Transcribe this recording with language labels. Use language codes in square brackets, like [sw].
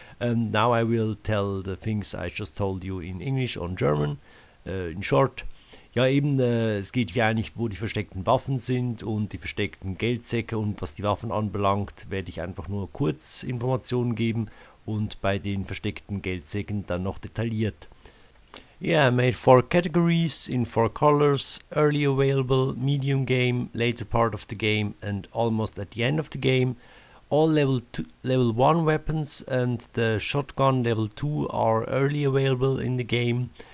[en] And now I will tell the things I just told you in English, on German, in short. [de] Ja, eben, es geht hier eigentlich, wo die versteckten Waffen sind und die versteckten Geldsäcke, und was die Waffen anbelangt, werde ich einfach nur kurz Informationen geben und bei den versteckten Geldsäcken dann noch detailliert. [en] Yeah, I made 4 categories in 4 colors, early available, medium game, later part of the game and almost at the end of the game. All level 1 weapons and the shotgun level 2 are early available in the game.